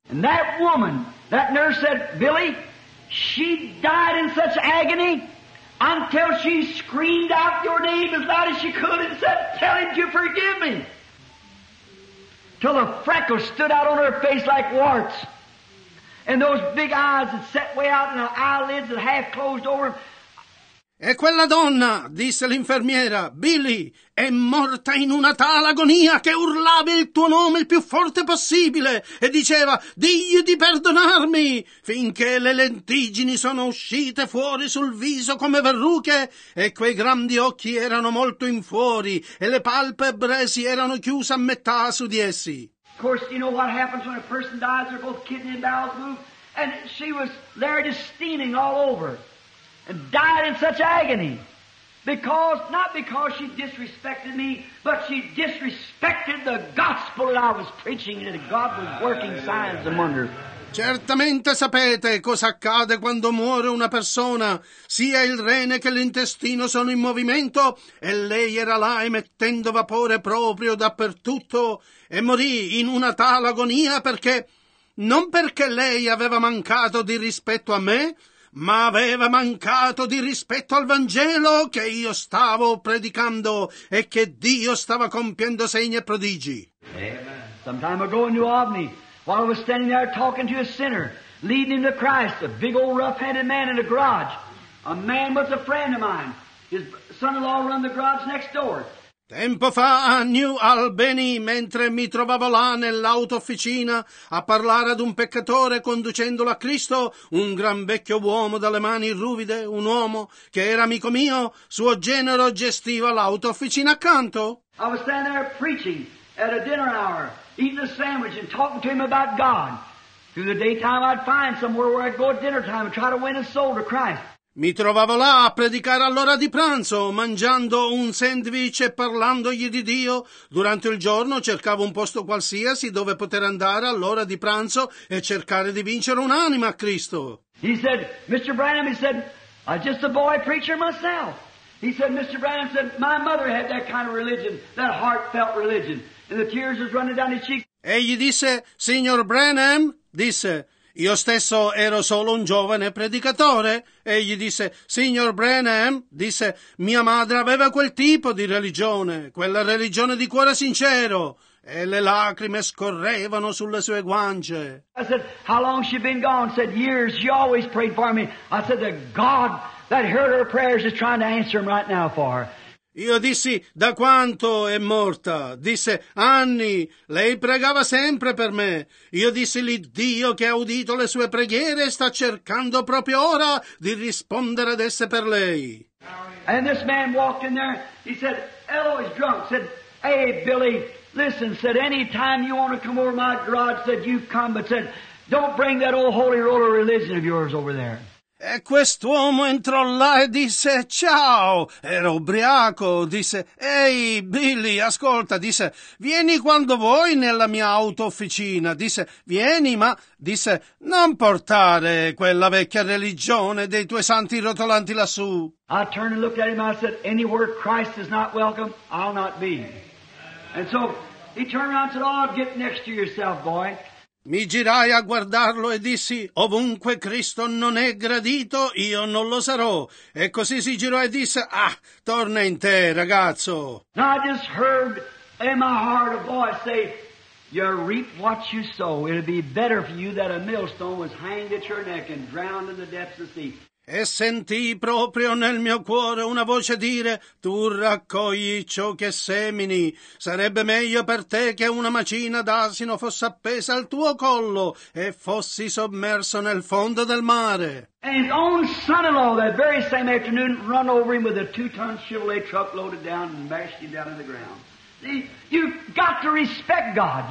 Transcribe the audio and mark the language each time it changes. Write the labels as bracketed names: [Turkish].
[English] And that woman, that nurse said, Billy, she died in such agony until she screamed out your name as loud as she could and said, tell him to forgive me. Till the freckles stood out on her face like warts. And those big eyes that set way out and the eyelids that half closed over. [Italian] E quella donna, disse l'infermiera, Billy, è morta in una tale agonia che urlava il tuo nome il più forte possibile e diceva, digli di perdonarmi, finché le lentiggini sono uscite fuori sul viso come verruche e quei grandi occhi erano molto in fuori e le palpebre si erano chiuse a metà su di essi. [English] Of course, you know what happens when a person dies, they're both kidney and bowels move, and she was there just steaming all over, and died in such agony, because, not because she disrespected me, but she disrespected the gospel that I was preaching, and that God was working signs among her. [Italian] Certamente sapete cosa accade quando muore una persona, sia il rene che l'intestino sono in movimento e lei era là emettendo vapore proprio dappertutto e morì in una tale agonia perché, non perché lei aveva mancato di rispetto a me, ma aveva mancato di rispetto al Vangelo che io stavo predicando e che Dio stava compiendo segni e prodigi. [English] Some time ago in New Albany. While I was standing there talking to a sinner, leading him to Christ, a big old rough-handed man in a garage. A man was a friend of mine. His son-in-law run the garage next door. [Italian] Tempo fa a New Albany, mentre mi trovavo là nell'auto-officina a parlare ad un peccatore conducendolo a Cristo, un gran vecchio uomo dalle mani ruvide, un uomo che era amico mio, suo genero gestiva l'auto-officina accanto. [English] I was standing there preaching at a dinner hour. Eating a sandwich and talking to him about God. Through the daytime I'd find somewhere where I'd go at dinner time and try to win a soul to Christ. [Italian] Mi trovavo là a predicare all'ora di pranzo, mangiando un sandwich e parlandogli di Dio. Durante il giorno cercavo un posto qualsiasi dove poter andare all'ora di pranzo e cercare di vincere un'anima a Cristo. [English] He said, Mr. Branham, he said, I'm just a boy preacher myself. He said, Mr. Branham said, my mother had that kind of religion, that heartfelt religion. And the tears was running down his cheeks. [Italian] Egli disse, signor Branham, disse, io stesso ero solo un giovane predicatore. Egli disse, signor Branham, disse, mia madre aveva quel tipo di religione, quella religione di cuore sincero. E le lacrime scorrevano sulle sue guance. [English] I said, how long she been gone? Said, years, she always prayed for me. I said, the God that heard her prayers is trying to answer them right now for her. [Italian] Io dissi, da quanto è morta? Disse, anni, lei pregava sempre per me. Io dissi, l'Iddio che ha udito le sue preghiere sta cercando proprio ora di rispondere ad esse per lei. [English] And this man walked in there, he said, Elo is drunk, said, hey Billy, listen, said, any time you want to come over my garage, said, you come, but said, don't bring that old holy roller religion of yours over there. [Italian] E quest'uomo entrò là e disse, ciao, ero ubriaco, disse, ehi, Billy, ascolta, disse, vieni quando vuoi nella mia auto-officina, disse, vieni, ma, disse, non portare quella vecchia religione dei tuoi santi rotolanti lassù. [English] I turned and looked at him, I said, anywhere Christ is not welcome, I'll not be. And so, he turned around and said, oh, get next to yourself, boy. [Italian] Mi girai a guardarlo e dissi, ovunque Cristo non è gradito, io non lo sarò. E così si girò e disse, ah, torna in te, ragazzo. [English] Now I just heard in my heart a voice say, you reap what you sow. It'll be better for you that a millstone was hanged at your neck and drowned in the depths of the sea. [Italian] E sentii proprio nel mio cuore una voce dire: tu raccogli ciò che semini. Sarebbe meglio per te che una macina d'asino fosse appesa al tuo collo e fossi sommerso nel fondo del mare. [English] And his own son-in-law that very same afternoon run over him with a 2-ton Chevrolet truck loaded down and mashed him down to the ground. You've got to respect God.